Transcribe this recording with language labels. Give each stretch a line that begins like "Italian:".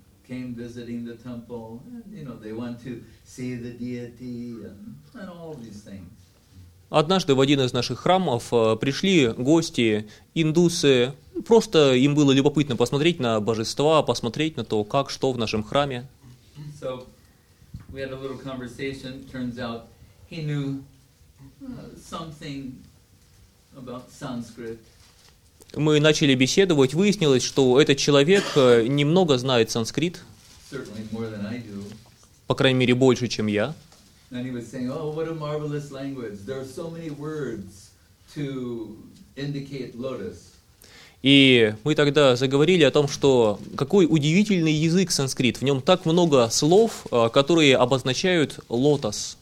English: Came visiting the temple, and, you know, they want to see the deity and all these things.
Russian: Однажды в один из наших храмов пришли гости, индусы. Просто им было любопытно посмотреть на божества, посмотреть на то, как, что в нашем храме.
English: So we had a little conversation. Turns out he knew something about Sanskrit.
Russian: Мы начали беседовать, выяснилось, что этот человек немного знает санскрит.
English: Certainly more than I do.
Russian: По крайней мере, больше, чем я.
English: And he was saying, oh, what a marvelous language. There are so many words to indicate lotus.
Russian: И мы тогда заговорили о том, что какой удивительный язык санскрит. В нем так много слов, которые обозначают лотос.